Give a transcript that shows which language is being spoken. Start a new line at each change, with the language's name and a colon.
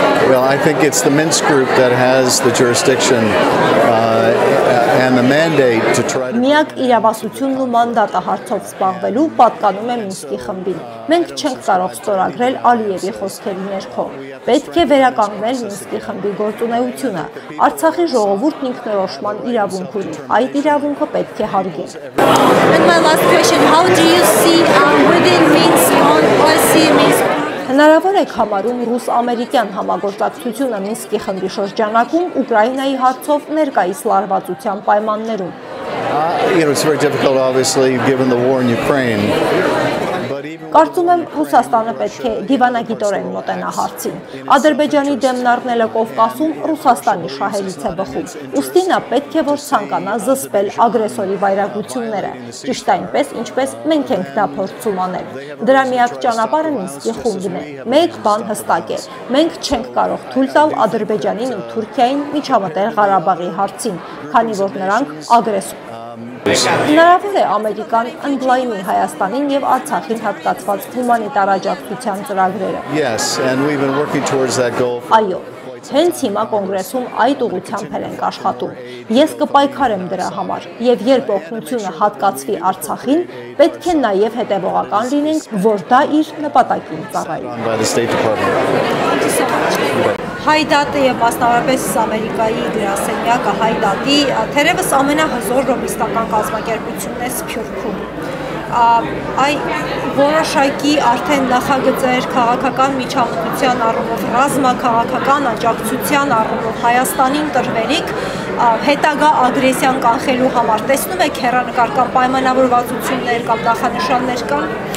English: Well, I think it's the Minsk group that has the jurisdiction and the mandate to try to
Armenian: Միակ իրավասությունն ու մանդատը հարցով զբաղվելու պատկանում է Մինսկի խմբին։ Մենք չենք կարող ստորագրել Ալիևի խոսքերի ներքո։ Պետք է վերականգնել Մինսկի խմբի գործունեությունը։ Արցախի ժողովուրդն ինքնորոշման իրավունք ունի։ Այդ իրավունքը պետք է հարգել։
English: And my last question, how do you see within Minsk on policy Minsk?
Armenian: Հնարավոր է համարում ռուս-ամերիկյան համագործակցությունը Մինսկի խմբի շրջանակում Ուկրաինայի հարցով ներկայիս լարվածության պայմաններում։
English: You know, it's very difficult obviously given the war in Ukraine.
Armenian: Կարծում եմ Ռուսաստանը պետք է դիվանագիտորեն մոտենա հարցին։ Ադրբեջանի դեմն առնելը Կովկասում Ռուսաստանի շահերից է բխում։ Ուստի նա պետք է որ ցանկանա զսպել ագրեսորի վայրագությունները, ճիշտ այնպես, ինչպես մենք ենք դա փորձում անել։ Դրա միակ ճանապարհը Մինսկի խումբն է։ Մեկ բան հստակ է. մենք չենք կարող թույլ տալ Ադրբեջանին ու Թուրքիային միջամտել Ղարաբաղի հարցին, քանի որ նրանք ագրեսոր են։ Հնարավոր է Ամերիկան ընդլայնի Հայաստանին եւ Արցախին հատկացված հումանիտար աջակցության ծրագրերը։
English: Yes, and we've been working towards that goal.
Armenian: Այո, հենց հիմա կոնգրեսում այդ ուղությամբ ենք աշխատում։ Ես կպայքարեմ դրա համար, եւ երբ օգնությունը հատկացվի Արցախին, պետք է նաեւ հետևողական լինենք, որ դա իր նպատակին ծառայի։ Հայդատը եւ մասնավորապես Ամերիկայի գրասենյակը Հայդատի թերևս ամենահզոր ռոբիստական կազմակերպությունն է Սփյուռքում։ Այ որոշակի արդեն նախագծեր քաղաքական միջամտության առումով, ռազմաքաղաքական աջակցության առումով Հայաստանին տրվելիք հետագա ագրեսիան կանխելու համար, տեսնում եք հեռանկարական պայմանավորվածություններ կամ նախանշաններ կան։